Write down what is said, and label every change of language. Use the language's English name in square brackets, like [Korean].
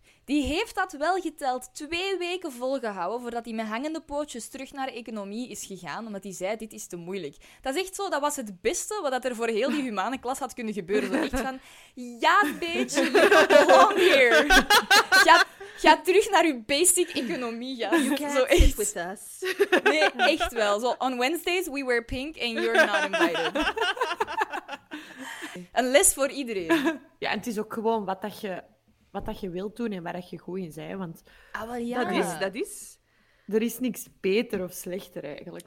[Dutch] Die heeft dat wel geteld 2 weken volgehouden voordat hij met hangende pootjes terug naar economie is gegaan, omdat hij zei, dit is te moeilijk. Dat is echt zo, dat was het beste wat er voor heel die humane klas had kunnen gebeuren. Zo echt van, ja, [English] bitch, you belong here. [Dutch] Ga terug naar je basic economie, ja. [English] You can't sit with us. [Dutch] Nee, echt wel. Zo, [English] on Wednesdays we wear pink and you're not invited. [Dutch] Een les voor iedereen. Ja, en het is ook gewoon wat dat je wilt doen en waar dat je goed in bent. Want dat is... Er is niks beter of slechter, eigenlijk.